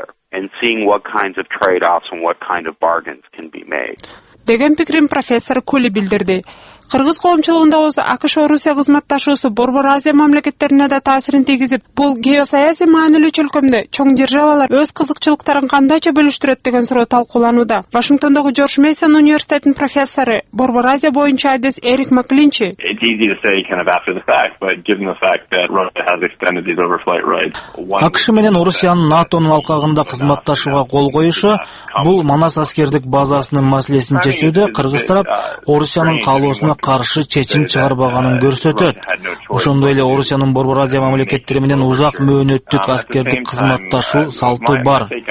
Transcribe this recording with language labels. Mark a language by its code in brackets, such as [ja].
[en] And seeing what kinds of trade-offs and what kind of bargains can be made. [ky] деген пикирин профессор Кули билдирди. Кыргыз коомчулугунда болсо АКШ Орусия кызматташуусу Борбор Азия мамлекеттерине да таасирин тийгизип, бул геосаясий маанилүү чөлкөмдө чоң державалар өз кызыкчылыктарын кандайча бөлүштүрөт деген суроо талкууланууда. Вашингтондогу Джордж Мейсон университетинин профессору Борбор Азия боюнча адис Эрик Маклинчи. АКШ менен Орусиянын НАТОнун алкагында кызматташууга кол коюшу бул Манас аскердик базасынын маселесин чечүүдө кыргыз тарап Орусиянын каалоосун каршы чечим чыгарбаганын көрсөтөт. Ошондой эле Орусиянын Борбор Азия мамлекеттери менен узак мөөнөттүк аскердик кызматташуу салты бар.